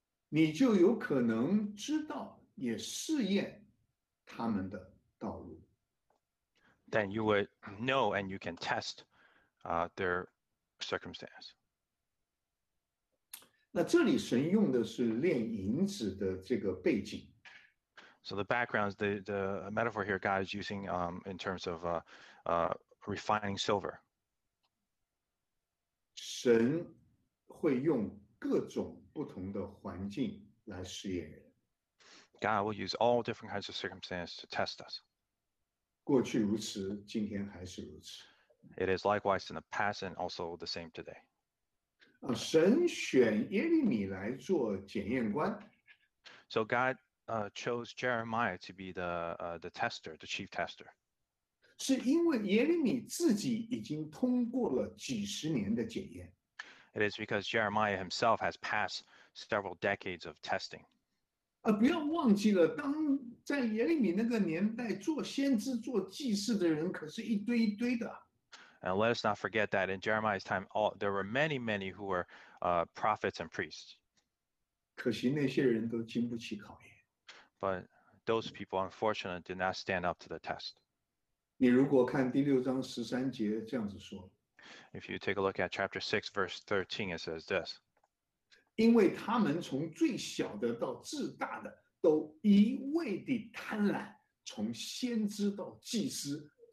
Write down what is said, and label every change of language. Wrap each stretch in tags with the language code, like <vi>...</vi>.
<zh>你就有可能知道，也试验。他们的道路。</zh> <en>Then you would know and you can test their circumstance.</en> <zh>那这里神用的是炼银子的这个背景。</zh> <en>So the background, the metaphor here God is using in terms of refining silver.</en> <zh>神会用各种不同的环境来试验人。</zh> <en>God will use all different kinds of circumstances to test us.</en> <zh>过去如此，今天还是如此。</zh> <en>It is likewise in the past and also the same today.</en> <zh>神选耶利米来做检验官。</zh> <en>So God chose Jeremiah to be the tester, the chief tester.</en> <zh>是因为耶利米自己已经通过了几十年的检验。</zh> <en>It is because Jeremiah himself has passed several decades of testing.</en> <zh>不要忘记了，当在耶利米那个年代做先知、做祭司的人可是一堆一堆的。</zh> <en>And let us not forget that in Jeremiah's time, there were many, many who were prophets and priests.</en> <zh>可惜那些人都经不起考验。</zh> <en>But those people, unfortunately, did not stand up to the test.</en> <zh>你如果看第六章十三节这样子说。</zh> <en>If you take a look at chapter 6, verse 13, it says this.</en> <zh>因为他们从最小的到至大的都一味地贪婪，从先知到祭司。</zh>